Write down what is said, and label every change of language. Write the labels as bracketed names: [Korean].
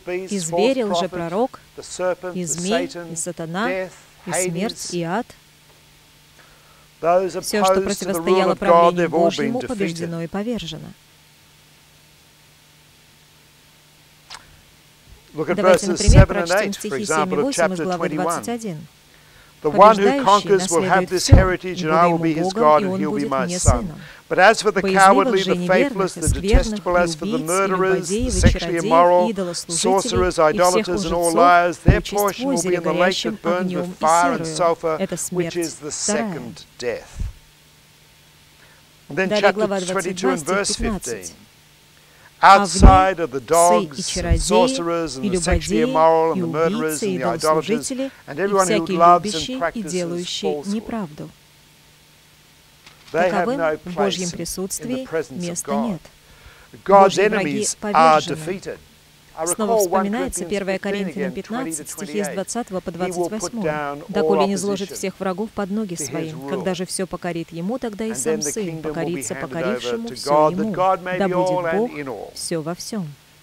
[Russian] И зверь, лжепророк, и змей, и сатана, и смерть, и ад. Все, что противостояло правлению Божьему, побеждено и повержено. Давайте, например, прочтем стихи 7 и 8 из главы 21. [English] The one who conquers will have this heritage, and I will be his God, and he will be my son. But as for the cowardly, the faithless, the detestable, as for the murderers, the sexually immoral, sorcerers, idolaters, and all liars, their portion will be in the lake that burns with fire and sulfur, which is the second death. And then chapter 22 and verse 15. Outside are the dogs, and sorcerers, and the sexually immoral, and the murderers, and the idolaters, and everyone who loves and practices falsehood. They have no place in the presence of God. God's enemies are defeated. [Russian] Снова вспоминается 1 Коринфянам 15, стихи с 20 по 28. «Доколе не сложит всех врагов под ноги своим, когда же все покорит ему, тогда и сам Сын покорится покорившему все ему, да будет Бог все во всем».